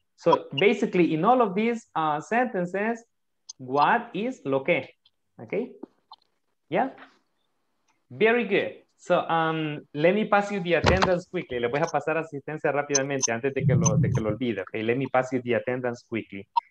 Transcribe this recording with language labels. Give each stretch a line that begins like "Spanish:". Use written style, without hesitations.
English: So basically, in all of these sentences, what is lo que, okay? Yeah? Very good. So, let me pass you the attendance quickly.
Spanish: Le voy a pasar asistencia rápidamente antes de que lo olvide.
English: Okay, let me pass you the attendance quickly.